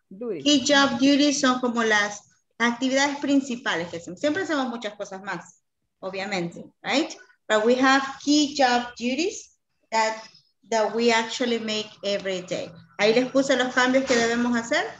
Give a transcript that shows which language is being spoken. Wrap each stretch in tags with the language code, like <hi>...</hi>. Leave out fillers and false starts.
<es>Key job duties son como las actividades principales que hacemos. Siempre hacemos muchas cosas más, obviamente, right?</es> <en>But we have key job duties that we actually make every day.</en> <es>Ahí les puse los cambios que debemos hacer.</es>